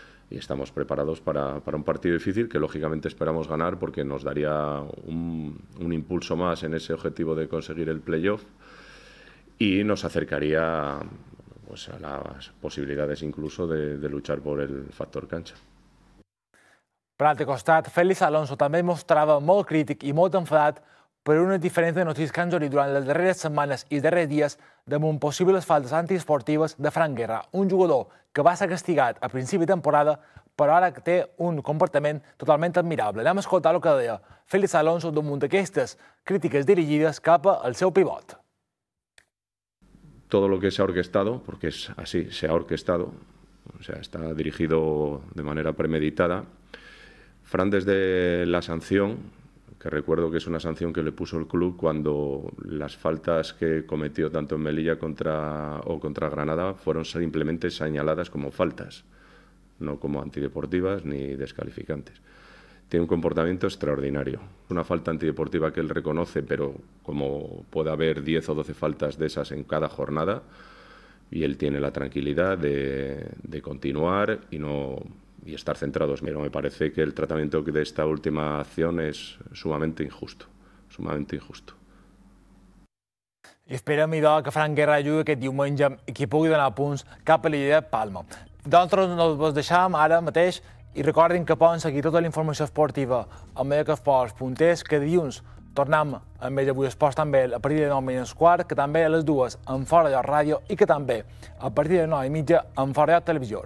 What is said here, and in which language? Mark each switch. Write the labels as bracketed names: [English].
[Spanish] Y estamos preparados para un partido difícil que lógicamente esperamos ganar porque nos daría un impulso más en ese objetivo de conseguir el playoff y nos acercaría pues a las posibilidades incluso de luchar por el factor cancha. [Catalan] Per altre costat, Félix Alonso també mostrava molt crític i molt enfadat per una diferent de notícies que han sortit durant les darreres setmanes i darrers dies damunt possibles faltes antiesportives de Frank Guerra, un jugador que va ser castigat a principi de temporada, però ara té un comportament totalment admirable. Anem a escoltar el que deia Félix Alonso damunt d'aquestes crítiques dirigides cap al seu pivot. [Spanish] Todo lo que se ha orquestado, porque es así, se ha orquestado, o sea, está dirigido de manera premeditada. Fran, desde la sanción, que recuerdo que es una sanción que le puso el club cuando las faltas que cometió tanto en Melilla contra Granada fueron simplemente señaladas como faltas, no como antideportivas ni descalificantes. Tiene un comportamiento extraordinario. Una falta antideportiva que él reconoce, pero como puede haber 10 o 12 faltas de esas en cada jornada, y él tiene la tranquilidad de continuar y no... y estar centrados. Pero me parece que el tratamiento de esta última acción es sumamente injusto, sumamente injusto. [Catalan] I esperem, idò, que Frank Guerra jugui aquest diumenge i que pugui donar punts cap a la Lliga Palma. D'altres no us deixem ara mateix i recordin que poden seguir tota la informació esportiva a mediocafports.es, que dilluns tornem a més d'avui esports també a partir de 9:15, que també a les 2 en Fora de la Ràdio i que també a partir de 9:30 en Fora de la Televisió.